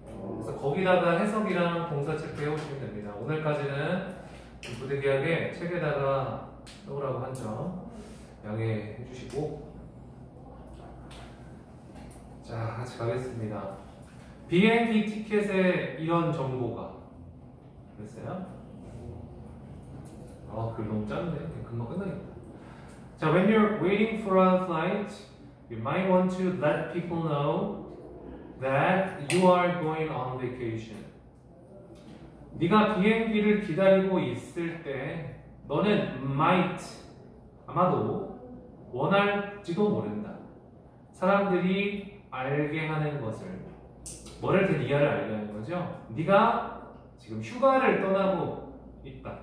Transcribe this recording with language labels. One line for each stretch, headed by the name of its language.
Korean: 그래서 거기다가 해석이랑 동사 체크 해오시면 됩니다. 오늘까지는 부득이하게 책에다가 써보라고 한 점 양해해 주시고. 자, 같이 가겠습니다. 비행기 티켓에 이런 정보가 됐어요? 아, 글 너무 짧네. 금방 끝나겠다.
English: 자, when you're waiting for a flight, you might want to let people know that you are going on vacation.
Korean: 네가 비행기를 기다리고 있을 때 너는 might, 아마도 원할지도 모른다. 사람들이 알게 하는 것을, 뭐를 든 이하를 알게 하는 거죠. 네가 지금 휴가를 떠나고 있다.